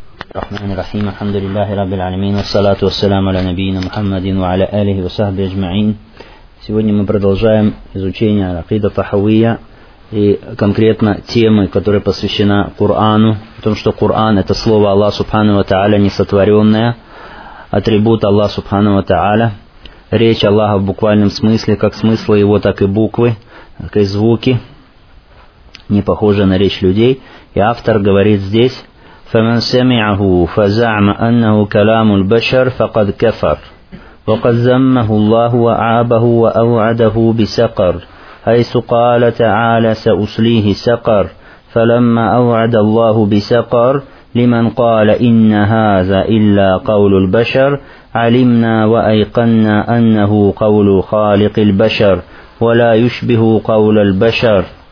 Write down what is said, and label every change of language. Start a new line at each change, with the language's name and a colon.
Arabic: الرحمن الرحيم الحمد لله رب العالمين والصلاة والسلام على نبينا محمد وعلى آله وصحبه أجمعين.
Russian: Сегодня мы продолжаем изучение акида тахавия и конкретно темы, которая посвящена Корану, о том, что Коран это слово Аллаха Субхану ва Тааля несотворенное, атрибут Аллаха Субхану ва Тааля, речь Аллаха в буквальном смысле, как смысла его, так и буквы, так и звуки, не похожие на речь людей. И автор говорит здесь:
Arabic: فمن سمعه فزعم أنه كلام البشر فقد كفر وقد ذمه الله وعابه وأوعده بسقر حيث قال تعالى سأصليه سقر فلما أوعد الله بسقر لمن قال إن هذا إلا قول البشر علمنا وأيقنا أنه قول خالق البشر ولا يشبه قول البشر